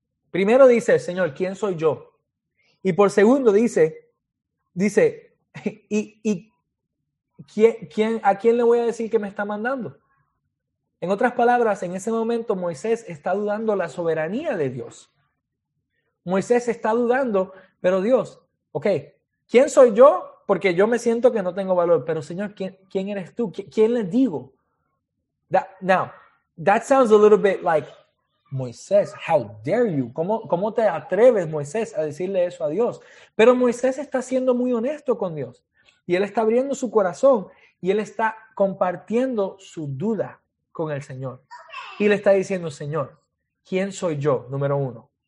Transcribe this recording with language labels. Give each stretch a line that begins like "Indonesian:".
Spanish: Primero dice, Señor, ¿quién soy yo? Y por segundo dice, ¿a quién le voy a decir que me está mandando? En otras palabras, en ese momento Moisés está dudando la soberanía de Dios. Moisés está dudando, pero Dios, ok, ¿quién soy yo? Porque yo me siento que no tengo valor. Pero Señor, ¿quién eres tú? ¿Quién le digo?
English: That sounds a little bit like, Moisés, how dare you?
Spanish: ¿Cómo te atreves, Moisés, a decirle eso a Dios? Pero Moisés está siendo muy honesto con Dios. Y él está abriendo su corazón y él está compartiendo su duda con el Señor. Y le está diciendo, Señor, ¿quién soy yo? Número uno.